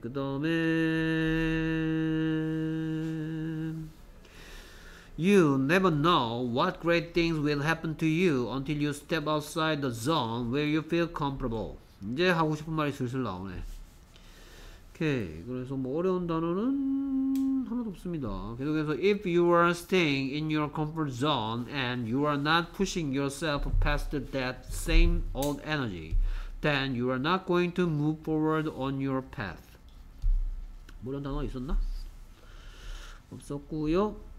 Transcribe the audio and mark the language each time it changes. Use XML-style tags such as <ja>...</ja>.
<ko>그 다음에</ko> <en>You never know what great things will happen to you until you step outside the zone where you feel comfortable.</en> <ko>이제 하고 싶은 말이 슬슬 나오네. 오케이. 그래서 뭐 어려운 단어는 하나도 없습니다. 계속해서</ko> <en>If you are staying in your comfort zone and you are not pushing yourself past that same old energy, then you are not going to move forward on your path.</en> <ko>뭐 이런 단어 있었나? 없었고요.</ko>